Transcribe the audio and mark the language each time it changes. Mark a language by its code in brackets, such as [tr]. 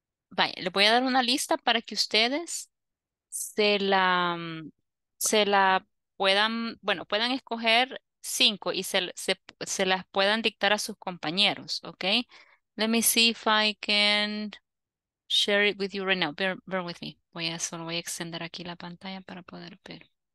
[es] Vaya, le voy a dar una lista para que ustedes se la puedan, bueno, puedan escoger 5 y se las puedan dictar a sus compañeros, ¿ok? [en] Let me see if I can share it with you right now. Bear with me. [es] Voy a extender aquí la pantalla para poder ver.